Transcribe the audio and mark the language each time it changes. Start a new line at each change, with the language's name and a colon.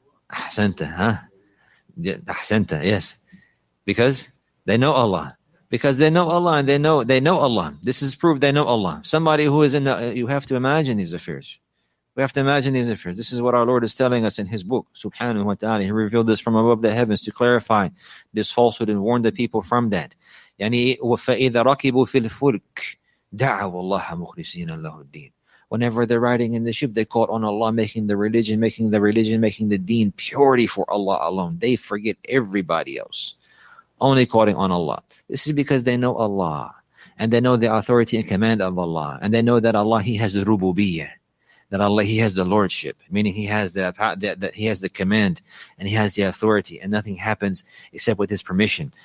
English: Ahsanta, yes. Because they know Allah. Because they know Allah and they know Allah. This is proof they know Allah. Somebody who is in the, you have to imagine these affairs. We have to imagine these affairs. This is what our Lord is telling us in His book,
Arabic: subhanahu wa ta'ala.
English: He revealed this from above the heavens to clarify this falsehood and warn the people from that.
Arabic: يعني وفإذا ركبوا في الفلك دعوا الله مخلصين له الدين.
English: Whenever they're riding in the ship, they call on Allah, making the religion, making the deen purity for Allah alone. They forget everybody else, only calling on Allah. This is because they know Allah, and they know the authority and command of Allah, and they know that Allah, He has the rububiyyah, that Allah, He has the lordship, meaning He has the command and He has the authority, and nothing happens except with His permission.